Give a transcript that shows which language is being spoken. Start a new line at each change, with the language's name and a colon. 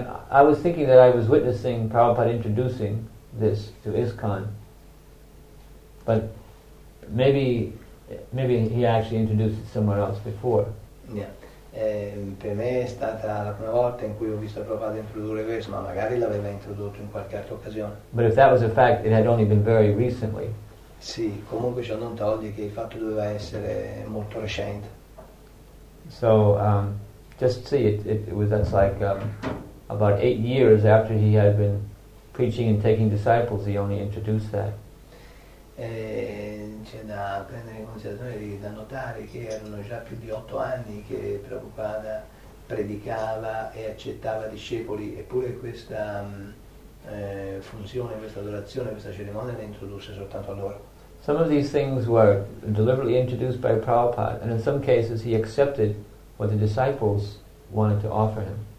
English: I was thinking that I was witnessing Prabhupada introducing this to ISKCON, but maybe he actually introduced it somewhere else before. Yeah.
Italian: Per me è stata la prima volta in cui ho visto Prabhupada introdurre questo, ma magari l'aveva introdotto in qualche altra occasione.
English: But if that was a fact, it had only been very recently.
Italian: Sì, comunque ciò non toglie che il fatto doveva essere molto recente.
English: So, just see, it was, that's like about 8 years after he had been preaching and taking disciples, he only introduced that.
Italian: C'è da prendere in considerazione e da notare che erano già più di 8 anni che Prabhupada predicava e accettava discepoli, eppure questa funzione, questa adorazione, questa cerimonia la introdusse soltanto allora.
English: Some of these things were deliberately introduced by Prabhupada, and in some cases he accepted what the disciples wanted to offer him.